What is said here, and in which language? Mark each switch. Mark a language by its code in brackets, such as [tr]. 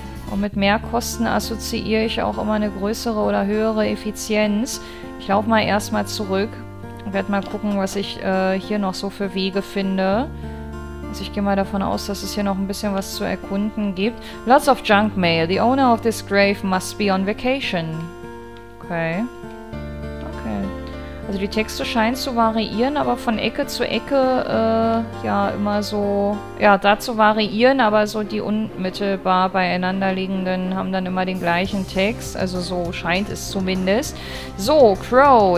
[de] Und mit mehr Kosten assoziiere ich auch immer eine größere oder höhere Effizienz. Ich laufe mal erstmal zurück. Werde mal gucken, was ich hier noch so für Wege finde. Also ich gehe mal davon aus, dass es hier noch ein bisschen was zu erkunden gibt. [en] Lots of junk mail. The owner of this grave must be on vacation. Okay. Okay. [de] Also die Texte scheinen zu variieren, aber von Ecke zu Ecke, ja, immer so... Ja, da zu variieren, aber so die unmittelbar beieinander liegenden haben dann immer den gleichen Text. Also so scheint es zumindest. So, Crow.